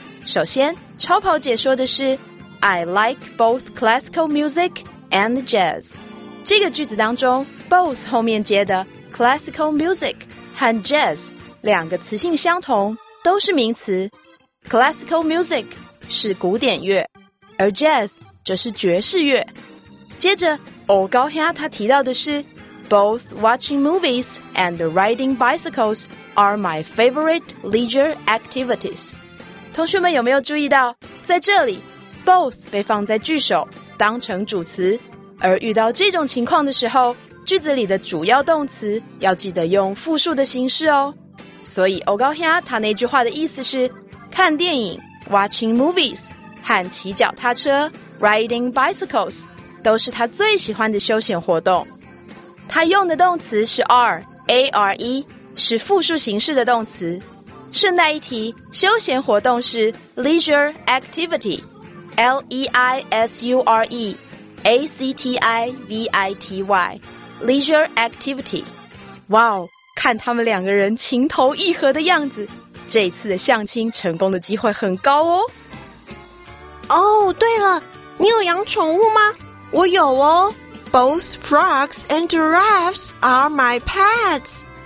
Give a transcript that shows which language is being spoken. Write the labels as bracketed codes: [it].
[zh] 首先超跑姐说的是 [en] I like both classical music and jazz， [zh] 这个句子当中 both 后面接的 classical music 和 jazz 两个词性相同，都是名词。 Classical music 是古典乐，而 jazz 则是爵士乐。接着欧高虾他提到的是 [en] both watching movies and riding bicycles are my favorite leisure activities。 [zh] 同学们有没有注意到，在这里 both 被放在句首当成主词，而遇到这种情况的时候，句子里的主要动词要记得用复数的形式哦。所以欧高虾他那句话的意思是看电影 [en] watching movies [zh] 和骑脚踏车 [en] riding bicycles [zh] 都是他最喜欢的休闲活动。他用的动词是 are 是复数形式的动词。顺带一提，休闲活动是 leisure activity， L-E-I-S-U-R-E A-C-T-I-V-I-T-Y leisure activity。哇哦，看他们两个人情投意合的样子，这一次的相亲成功的机会很高哦。哦，对了，你有养宠物吗？我有哦。 [en] Both frogs and giraffes are my pets。